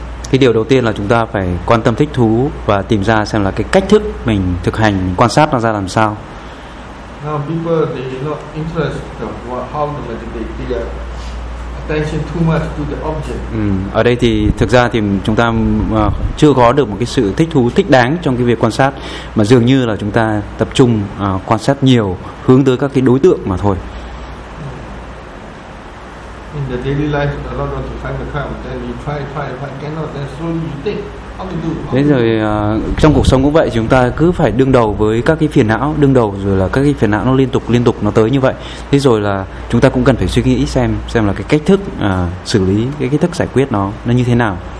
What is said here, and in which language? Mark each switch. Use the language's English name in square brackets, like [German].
[Vietnamese] Cái điều đầu tiên là chúng ta phải quan tâm thích thú và tìm ra xem là cái cách thức mình thực hành quan sát nó ra làm sao. [English] Now people they are not interested in how to meditate. They are attention too much to the object. [Vietnamese] Ở đây thì thực ra thì chúng ta chưa có được một cái sự thích thú thích đáng trong cái việc quan sát, mà dường như là chúng ta tập trung quan sát nhiều hướng tới các cái đối tượng mà thôi. [English] In the daily life, a lot of time comes, then you try, cannot, then slowly you think. [Vietnamese] Thế rồi trong cuộc sống cũng vậy, chúng ta cứ phải đương đầu với các cái phiền não, đương đầu rồi là các cái phiền não nó liên tục nó tới như vậy. Thế rồi là chúng ta cũng cần phải suy nghĩ xem là cái cách thức xử lý, cái cách thức giải quyết nó như thế nào.